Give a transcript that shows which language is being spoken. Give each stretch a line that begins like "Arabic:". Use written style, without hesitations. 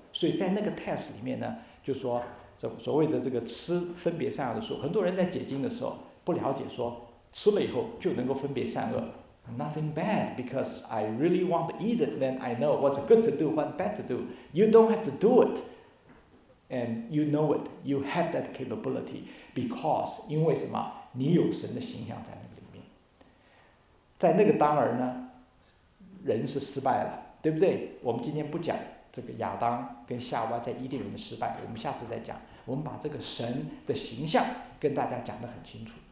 Chinese: 所以在那个 test 里面呢，就说所谓的这个吃分别善恶的树，很多人在解经的时候不了解说吃了以后就能够分别善恶。
English: Nothing bad, because I really want to eat it, then I know what's good to do, what's bad to do. You don't have to do it, and you know it. You have that capability, because,
Chinese: 因为什么？你有神的形象在那个里面。在那个当儿呢，人是失败了，对不对？我们今天不讲这个亚当跟夏娃在伊甸园的失败，我们下次再讲。我们把这个神的形象跟大家讲得很清楚。